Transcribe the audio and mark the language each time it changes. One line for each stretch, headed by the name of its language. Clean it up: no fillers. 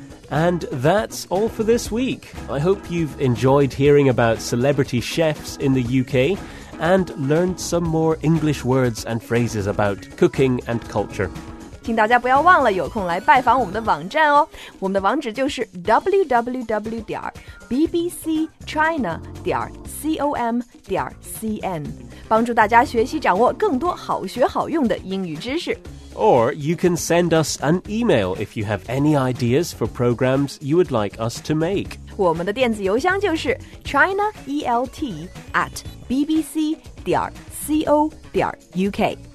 English: And that's all for this week. I hope you've enjoyed hearing about celebrity chefs in the UK and learned some more English words and phrases about cooking and culture.
Chinese: 请大家不要忘了有空来拜访我们的网站哦。我们的网址就是 www.bbcchina.com.cn 帮助大家学习掌握更多好学好用的英语知识。
English: Or you can send us an email if you have any ideas for programs you would like us to make.
Chinese: 我们的电子邮箱就是 chinaelt@bbc.co.uk.